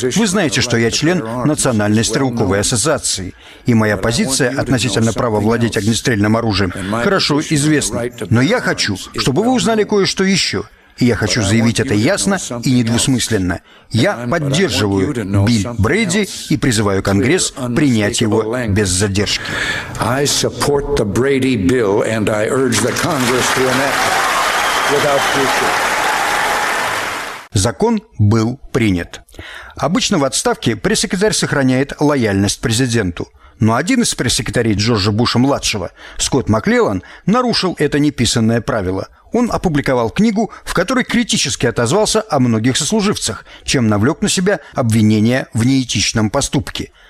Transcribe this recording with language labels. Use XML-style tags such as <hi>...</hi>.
<ru>Вы знаете, что я член Национальной стрелковой ассоциации, и моя позиция относительно права владеть огнестрельным оружием хорошо известна. Но я хочу, чтобы вы узнали кое-что еще. И я хочу заявить это ясно и недвусмысленно. Я поддерживаю Билль Брейди и призываю Конгресс принять его без задержки.</ru> <en>I support the Brady bill and I urge the Congress to enact it without question.</en> <ru>Закон был принят. Обычно в отставке пресс-секретарь сохраняет лояльность президенту. Но один из пресс-секретарей Джорджа Буша-младшего, Скотт Маклеллан, нарушил это неписанное правило. Он опубликовал книгу, в которой критически отозвался о многих сослуживцах, чем навлек на себя обвинение в неэтичном поступке.</ru>